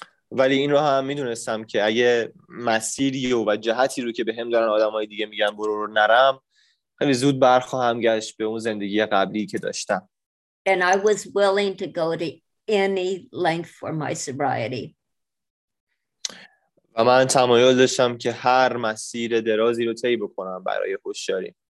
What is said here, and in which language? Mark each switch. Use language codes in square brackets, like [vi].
[fa] ولی این رو هم میدونستم که اگه مسیری و جهتی رو که به هم دارن آدم های دیگه میگن برو رو نرم، خیلی زود برخواهم گشت به اون زندگی قبلی که داشتم. [en] And I was willing to go to any length for my sobriety. [fa] و من تمایل داشتم که هر مسیر درازی رو طی بکنم برای هوشیاری.